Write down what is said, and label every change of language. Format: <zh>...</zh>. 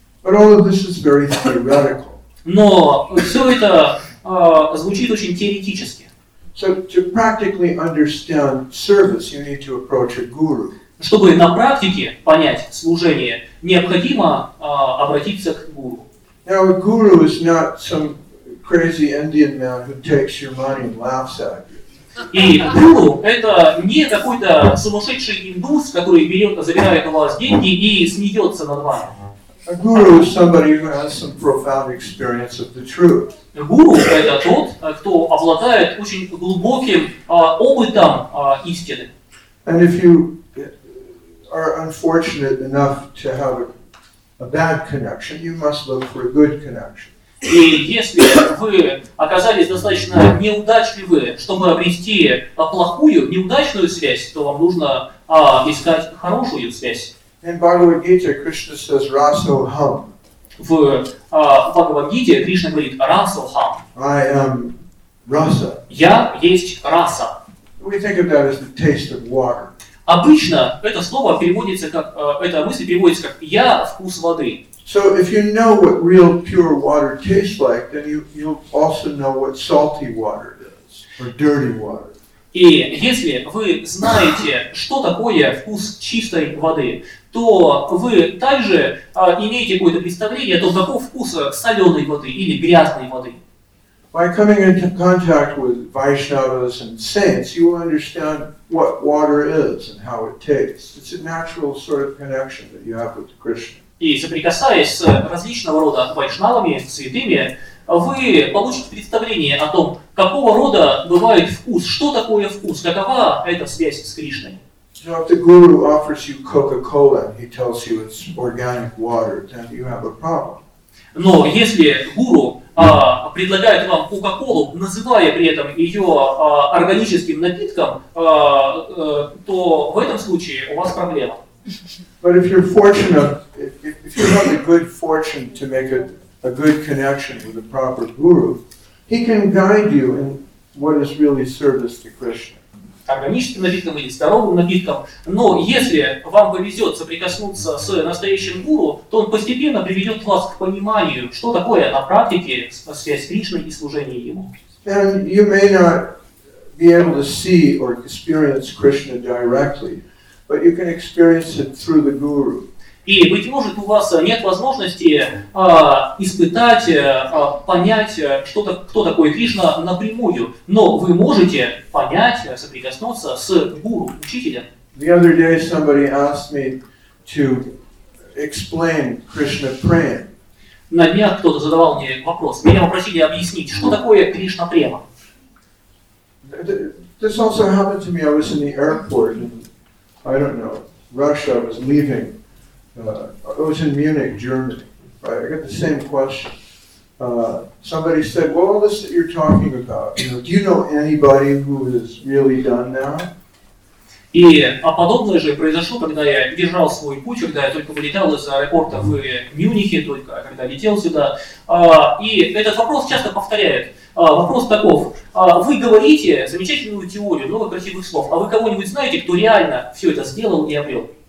<en>But all of this is very theoretical.</en> <ru>Но все это звучит очень теоретически.</ru> <en>So to practically understand service, you need to approach a guru.</en> <ru>Чтобы на практике понять служение, необходимо обратиться к гуру.</ru> <en>Now a guru is not some crazy Indian man who takes your money and laughs at you.</en> <ru>И гуру это не какой-то сумасшедший индус, который берет, забирает у вас деньги и смеется над вами.</ru> <en>A guru is somebody who has some profound experience of the truth.</en> <ru>Гуру это тот, кто обладает очень глубоким опытом истины.</ru> <en>And if you are unfortunate enough to have a bad connection, you must look for a good connection.</en> <ru>И если вы оказались достаточно неудачливы, чтобы обрести плохую, неудачную связь, то вам нужно искать хорошую связь.</ru> <en>In Bhagavad Gita, Krishna says raso ham.</en> <ru>В Bhagavad Gita Кришна говорит raso ham.</ru> <en>I am rasa.</en> <ru>Я есть раса.</ru> <en>We think of that as the taste of water.</en> <ru>Обычно это слово переводится как эта мысль переводится как я вкус воды.</ru> <en>So if you know what real pure water tastes like, then you'll also know what salty water is or dirty water.</en> <ru>И если вы знаете, что такое вкус чистой воды, то вы также имеете какое-то представление о том, каков вкус соленой воды или грязной воды.</ru> <en>By coming into contact with Vaishnavas and saints, you will understand what water is and how it tastes. It's a natural sort of connection that you have with Krishna.</en> <ru>И соприкасаясь с различного рода вайшнавами, святыми, вы получите представление о том, какого рода бывает вкус, что такое вкус, какова эта связь с Кришной.</ru> <en>So if the guru offers you Coca-Cola and he tells you it's organic water, then you have a problem.</en> <ru>Но если гуру предлагает вам Coca-Cola, называя при этом ее органическим напитком, то в этом случае у вас проблема.</ru> <en>But if you're fortunate, if you have the good fortune to make a good connection with a proper guru, he can guide you in what is really service to Krishna.</en> <ru>Органическим напитком или здоровым напитком, но если вам повезет соприкоснуться с настоящим гуру, то он постепенно приведет вас к пониманию, что такое на практике связь Кришны и служение ему.</ru> <en>And you may not be able to see or experience Krishna directly, but you can experience it through the guru.</en> <ru>И, быть может, у вас нет возможности испытать, понять, кто такой Кришна напрямую, но вы можете понять, соприкоснуться с гуру, учителем.</ru> <en>The other day somebody asked me to explain Krishna prema.</en> <ru>На днях кто-то задавал мне вопрос, меня попросили объяснить, что такое Кришна према.</ru> <en>This also happened to me. I was in the airport, and, I don't know, Russia. I was leaving. I was in Munich, Germany. Right? I got the same question. Somebody said, "Well, all this that you're talking about, you know, do you know anybody who has really done that?"</en> <ru>И подобное же произошло, когда я держал свой путь, когда я только вылетал из аэропорта в Мюнхене, только когда летел сюда. И этот вопрос часто повторяют. Вопрос таков. Вы говорите замечательную теорию, много красивых слов, а вы кого-нибудь знаете, кто реально все это сделал и обрел?</ru>